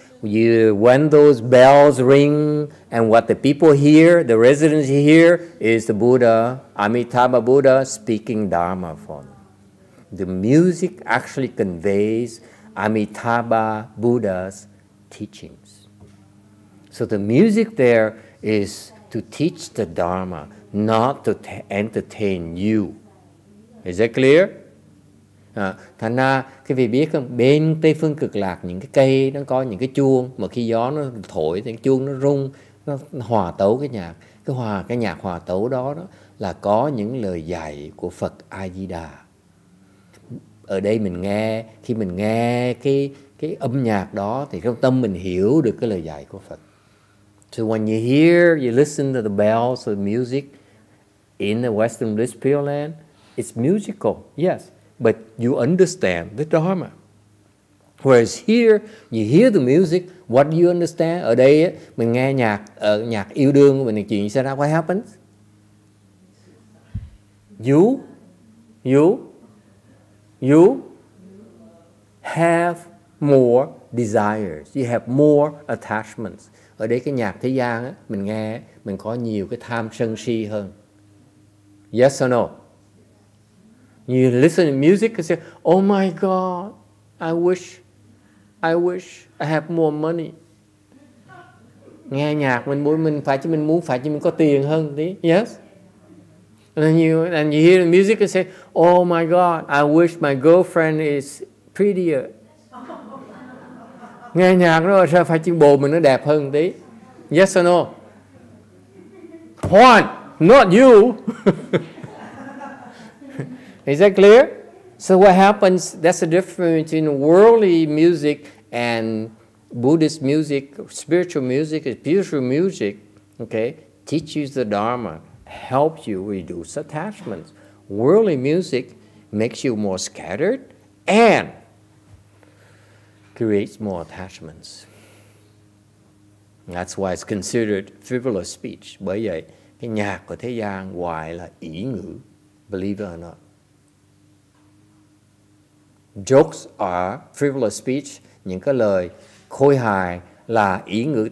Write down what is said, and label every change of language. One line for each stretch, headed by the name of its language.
English: When those bells ring and what the people hear, the residents hear, is the Buddha, Amitabha Buddha, speaking Dharma for them. The music actually conveys Amitabha Buddha's teachings. So the music there is to teach the Dharma, not to entertain you. Is that clear?
Vietnamese: Thành ra cái vị biết không, bên Tây Phương Cực Lạc những cái cây nó có những cái chuông, mà khi gió nó thổi thì chuông nó rung, nó hòa tấu cái nhạc hòa tấu đó là có những lời dạy của Phật A Di Đà. Ở đây mình nghe, khi mình nghe cái âm nhạc đó thì trong tâm mình hiểu được cái lời dạy của Phật.
English: So when you hear, you listen to the bells of music in the Western Bliss Pure Land, it's musical, yes. But you understand the Dharma. Whereas here, you hear the music, what do you understand?
Vietnamese: Ở đây, mình nghe nhạc yêu đương, mình nghe chuyện xảy ra,
English: what happens? You have more desires. You have more attachments.
Vietnamese: Ở đây, cái nhạc thế gian, mình nghe, mình có nhiều cái tham sân si hơn.
English: Yes or no? You listen to music and say, oh my God, I wish I have more money.
Vietnamese: Nghe nhạc mình muốn, mình phải chứ mình muốn phải chứ mình có tiền hơn tí.
English: Yes. And you hear the music and say, "Oh my God, I wish my girlfriend is prettier."
Vietnamese: Nghe nhạc nó sao phải chứ bồ mình nó đẹp hơn tí.
English: Yes or no? Juan, not you. Is that clear? So what happens, that's the difference between worldly music and Buddhist music, spiritual music, spiritual music, okay, teaches the Dharma, helps you reduce attachments. Worldly music makes you more scattered and creates more attachments. That's why it's considered frivolous speech.
Vietnamese: Bởi vậy, cái nhạc của thế gian ngoài là ý ngữ,
English: believe it or not. Jokes are frivolous speech,
Vietnamese: những cái lời khôi hài là ý ngữ.